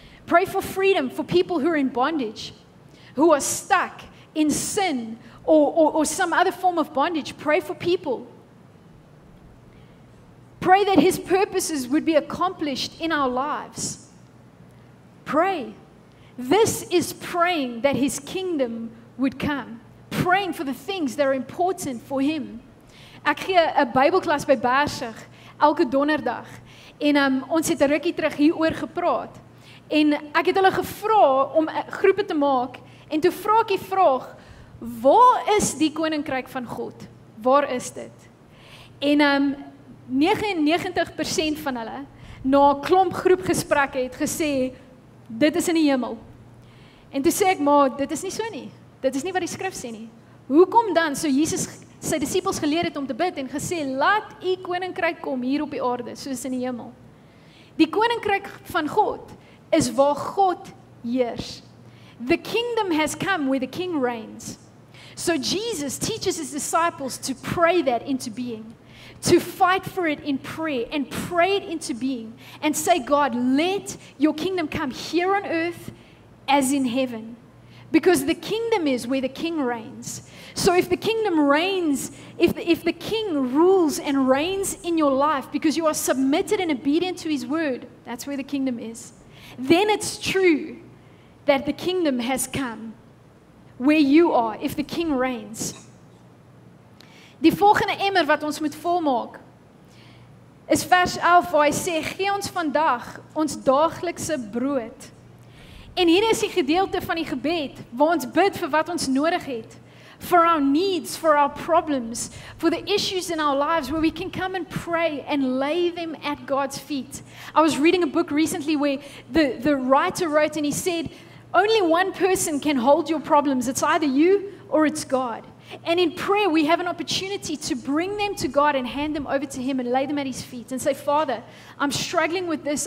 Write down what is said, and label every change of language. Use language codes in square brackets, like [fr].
[en] Pray for freedom for people who are in bondage, who are stuck in sin or some other form of bondage. Pray for people. Pray that his purposes would be accomplished in our lives. Pray. This is praying that his kingdom would come. Praying for the things that are important for him. [af] Ek gee 'n Bybelklas by Baarsig elke donderdag. En ons het 'n rukkie terug hieroor gepraat. En ek het hulle gevra om groepe te maak. En toe vra ek die vraag, waar is die koninkryk van God? Waar is dit? En 99% van hulle na 'n klomp groepgesprekke het gesê, dit is in die hemel. En toe sê ek, maar dit is nie so nie. Dit is nie wat die skrif sê nie. Hoekom dan, so Jesus sy disippels geleer het om te bid en gesê, laat u koninkryk kom hier op die aarde, soos in die hemel. Die koninkryk van God is waar God heers. [en] The kingdom has come where the king reigns. So Jesus teaches his disciples to pray that into being. To fight for it in prayer and pray it into being and say, God, let your kingdom come here on earth as in heaven. Because the kingdom is where the king reigns. So if the kingdom reigns, if the king rules and reigns in your life because you are submitted and obedient to his word, that's where the kingdom is. Then it's true that the kingdom has come where you are if the king reigns. [af] Die volgende emmer wat ons moet volmaak is vers 11 waar hy sê, gee ons vandag ons daaglikse brood. En hier is die gedeelte van die gebed waar ons bid vir wat ons nodig het. [en] for our needs, for our problems, for the issues in our lives where we can come and pray and lay them at God's feet. I was reading a book recently where the writer wrote and he said, only one person can hold your problems. It's either you or it's God. And in prayer, we have an opportunity to bring them to God and hand them over to Him and lay them at His feet and say, Father, I'm struggling with this.